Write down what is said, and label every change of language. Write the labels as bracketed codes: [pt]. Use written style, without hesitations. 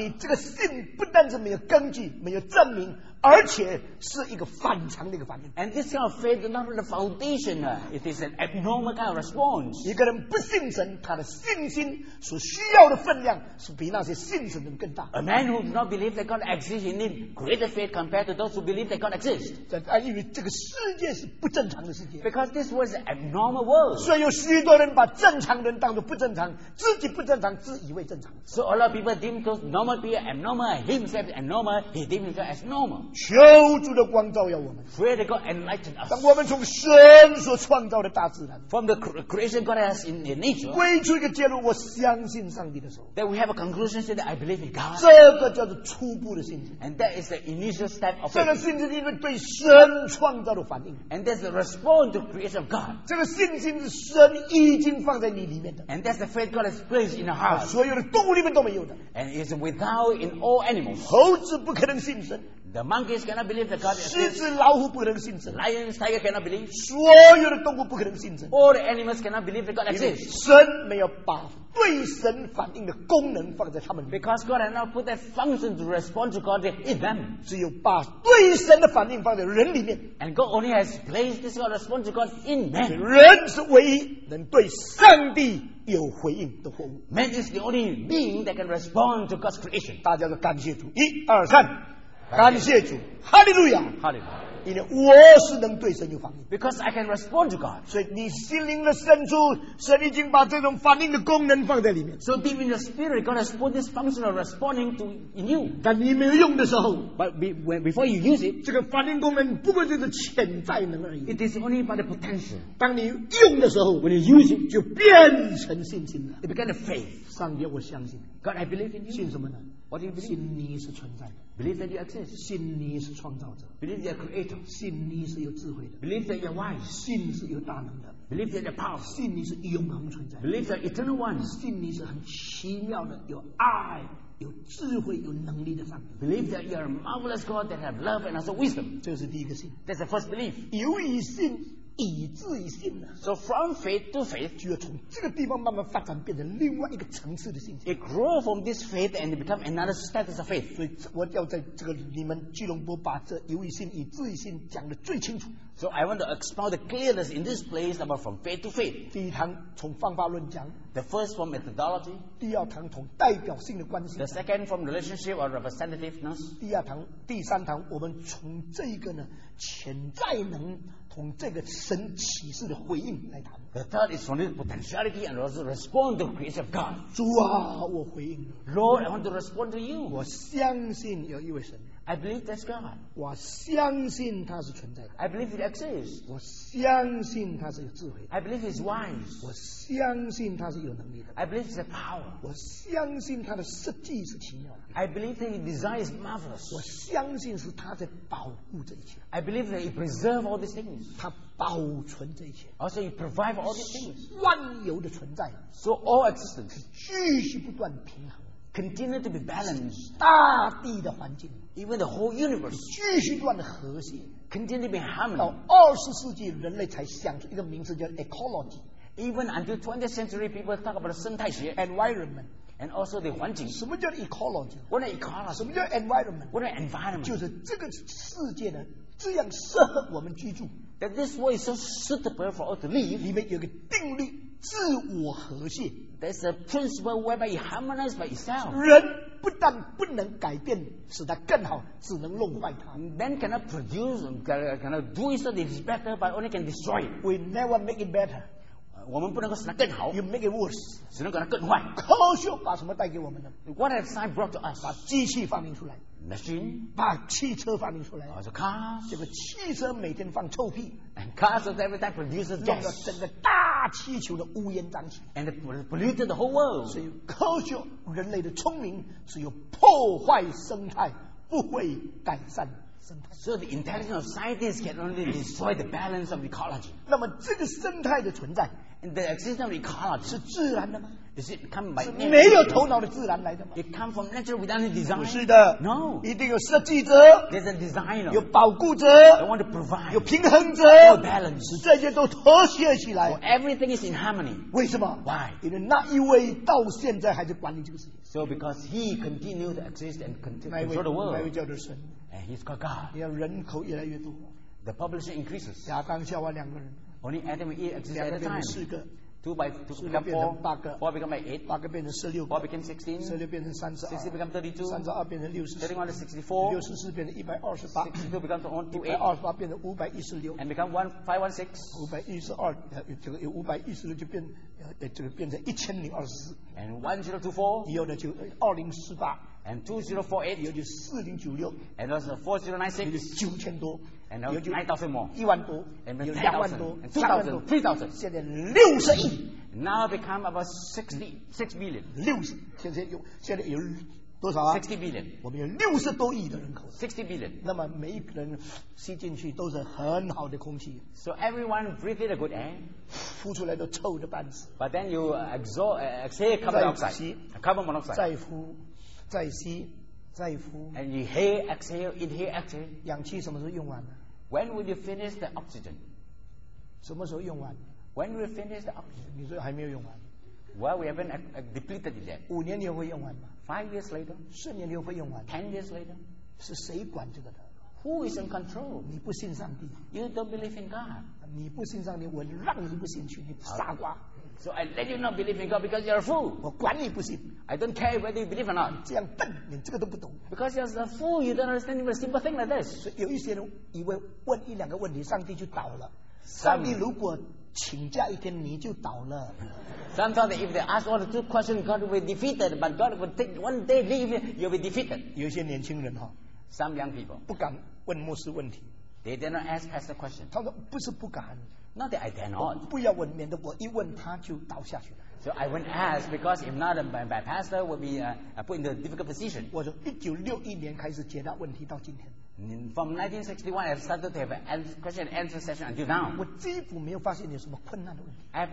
[zh] 你这个信不但是没有根据，没有证明，而且是一个反常的一个反应。 [en] And this kind of faith is not the foundation. It is an abnormal kind of response. [zh] 一个人不信神，他的信心所需要的分量是比那些信神的人更大。 [en] A man who does not believe that God exists, he needs greater faith compared to those who believe that God exists. [zh] 因为这个世界是不正常的世界。 [en] Because this world is an abnormal world. [zh] 所以有许多人把正常人当作不正常，自己不正常，自以为正常。 [en] So a lot of people deem those normal people abnormal, himself abnormal, he deems himself as normal. [zh] 求主的光照耀我们。 [en] Pray that God enlighten us. [zh] 当我们从神所创造的大自然 [en] ，from the creation God has in nature， [zh] 归出一个结论，我相信上帝的时候 [en] ，that we have a conclusion that I believe in God。 [zh] 这个叫做初步的信心 [en] ，and that is the initial step of。 [zh] 这个信心因为对神创造的反应 [en] ，and that's the response to creation of God。 [zh] 这个信心是神已经放在你里面的 [en] ，and that's the faith God has placed in our heart。 [zh] 所有的动物里面都没有的 [en] ，and is without in all animals。 [zh] 猴子不可能信神。 [en] The monkeys cannot believe that God is. [zh] 狮子、老虎不能信神。 [en] Lions, tiger cannot believe. [zh] 所有的动物不可能信神。 [en] All animals cannot believe that God exists. [zh] 神没有把对神反应的功能放在他们。 [en] Because God has not put that function to respond to God in them. [zh] 只有把对神的反应放在人里面。 [en] And God only has placed this God response to God in man. [zh] 人是唯一能对上帝有回应的活物。 [en] Man is the only being that can respond to God's creation. [zh] 大家都感谢主。一二三。感谢主，哈利路亚，哈利路亚！因为我是能对神有反应 [en] ，because I can respond to God。 [zh] 所以你心灵的深处，神已经把这种反应的功能放在里面。 [en] So deep in the spirit, God has put this function of responding to in you。 [zh] 但你没有用的时候 [en] ，but before you use it， [zh] 这个反应功能不过就是潜在能而已。 [en] It is only by the potential。 [zh] 当你用的时候 [en] ，when you use it， [zh] 就变成信心了。 [en] It became the faith。 [zh] 上帝，我相信。 [en] God, I believe in you。 [zh] 信什么呢 [en] ？What do you believe？ [zh] 信你是存在的。 [en] Believe that you exist. [zh] 信你是创造者。 [en] Believe you are creator. [zh] 信你是有智慧的。 [en] Believe that you are wise. [zh] 信是有大能的。 [en] Believe that you are powerful. [zh] 信你是永恒存在。 [en] Believe that eternal one. [zh] 信你是很奇妙的，有爱、有智慧、有能力的上帝。 [en] Believe that you are a marvelous God that have love and also wisdom. [zh] 这是第一个信。 [en] That's the first belief. [zh] 由于信。以至于信呢 [en] ？So from faith to faith， [zh] 就要从这个地方慢慢发展，变成另外一个层次的信心。 [en] It grow from this faith and become another status of faith。 [zh] 所以我要在这个你们巨龙波把这由于信、以至于信讲得最清楚。 [en] So I want to expound the clearness in this place about from faith to faith。 [zh] 第一堂从方法论讲。 [en] The first from methodology。 [zh] 第二堂从代表性的关系。 [en] The second from relationship or representativeness。 [zh] 第二堂、第三堂，我们从这个呢潜在能。从这个神启示的回应来谈。 [en] The third is from the potentiality and also respond to the creation of God. [zh] 主啊，我回应。 [en] Lord, I want to respond to you. [zh] 我相信有一位神。 [en] I believe that's God. [zh] 我相信他是存在的。 [en] I believe it exists. [zh] 我相信他是有智慧的。 [en] I believe he's wise. [zh] 我相信他是有能力的。 [en] I believe he's a power. [zh] 我相信他的设计是奇妙的。 [en] I believe that his design is marvelous. [zh] 我相信是他在保护这一切。 [en] I believe that he preserves all these things. [zh] 他保存这一切。 [en] Also he provides all these things. [zh] 万有的存在。 [en] So all existence. [zh] 继续不断平衡。 [en] Continue to be balanced. [zh] 大地的环境。 [en] Even the whole universe. [zh] 继续断的和谐。 [en] Continue to be harmony. [zh] 到二十世纪人类才想出一个名字叫 ecology. [en] Even until 20th century people talk about 生态学 environment. And also the 环境。 [zh] 什么叫 ecology? [en] What is ecology? [zh] 什么叫 environment? [en] What is environment? [zh] 就是这个世界的这样适合我们居住。 [en] That this world is so suitable for us to live. [zh] 里面有个定律，自我和谐。 [en] There's a principle whereby it harmonizes by itself. [zh] 人不但不能改变，使它更好，只能弄坏它。 [en] Man cannot produce, cannot do it so that it's better, but only can destroy it. We never make it better. [zh] 我们不能够使它更好。 [en] You make it worse. [zh] 只能够它更坏。科学把什么带给我们呢？ [en] What have science brought to us? [zh] 把机器发明出来。 [en] Machine. [zh] 把汽车发明出来。 [en] Also cars. [zh] 这个汽车每天放臭屁。 [en] And cars are every time produces gas. [zh] 弄得整个大。大气球的乌烟瘴气 [en] ，and polluted the whole world。 [zh] 所以，科学人类的聪明只有破坏生态，不会改善生态。 [en] So the intelligence of scientists can only destroy the balance of ecology。 [zh] 那么，这个生态的存在 [en] ，and the existence of ecology [zh] 是自然的吗 [en] ？Is it come by nature？ [zh] 是没有头脑的自然来的吗 [en] ？It come from nature without any design？ [zh] 不是的 [en] ，No。 [zh] 一定有设计者 [en] ，There's a designer。 [zh] 有保护者 [en] ，They want to provide。 [zh] 有平衡者 [en] ，Or balance。 [zh] 这些都和谐起来。 [en] So everything is in harmony。 [zh] 为什么 [en] ？Why？ [zh] 因为那一位到现在还在管理这个世界。 [en] So because he continued to exist and control the world。 [zh] 那位叫做神。 [en] And he's called God。 [zh] 你看人口越来越多。 [en] The population increases。 [zh] 亚当夏娃两个人。 [en] Only Adam and Eve exist at the time. [zh] 四个。 [en] Two by two become four. [zh] 八个。 [en] Four become eight. [zh] 八个变成十六。 [en] Four became sixteen. [zh] 十六变成三十二。 [en] Sixteen become 32。 [zh] 三十二变成六十。 [en] Thirty-one to 64。 [zh] 六十四变成一百二十八。 [en] Sixty-two become 128。 [zh] 一百二十八变成五百一十六。 [en] And become 1516。 [zh] 五百一十二，这个有五百一十六就变这个变成1024 [en] and 1024， [zh] 以后呢就2048 [en] and 2048， [zh] 以后就4096 [en] and also 4096， [zh] 就是9000多 [en] and 9000 more [zh] 10000多 [en] and [zh] 20000多 [en] and 3000 3000， [zh] 现在60亿 [en] now become about 60 billion [zh] 60，现在有多少啊 [en] ？60 billion， [zh] 我们有60多亿的人口。 [en] 60 billion， [zh] 那么每一个人吸进去都是很好的空气。 [en] So everyone breathe in a good air， [zh] 呼出来都臭的半死。 [en] But then you exhale carbon dioxide， carbon monoxide。 [zh] 再呼，再吸，再呼。 [en] And you inhale exhale， [zh] 氧气什么时候用完呢 [en] ？When will you finish the oxygen？ [zh] 什么时候用完 [en] ？When will you finish the oxygen？ [zh] 你说还没有用完。 [en] Well, we haven't depleted it yet. [zh] 5年你会用完吗 [en] ？5 years later. [zh] 10年你会用完 [en] ？10 years later. [zh] 是谁管这个的 [en] ？Who is in control? [zh] 你不信上帝 [en] ？You don't believe in God. [zh] 你不信上帝，我让你不信去，你傻瓜。 [en] So I let you not believe in God because you're a fool. [zh] 我管你不信。 [en] I don't care whether you believe or not. [zh] 你这样笨，你这个都不懂。 [en] Because you're a fool, you don't understand even a simple thing like this. [zh] 所以有一些人以为问一两个问题，上帝就倒了。上帝如果请假一天你就倒了。 [en] Sometimes if they ask only two questions, God will be defeated. But God will take one day leave, you'll be defeated. [zh] 有些年轻人哈 [en] ，some young people [zh] 不敢问牧师问题。 [en] They dare not ask pastor question. [zh] 他说不是不敢 [en] ，not that I dare not. [zh] 不要问，免得我一问他就倒下去了。 [en] So I won't ask because if not, my pastor will be put in a difficult position. [zh] 我从1961年开始解答问题到今天。 [en] From 1961, I've started to have a question and answer session until now. [zh] 我几乎没有发现有什么困难的问题。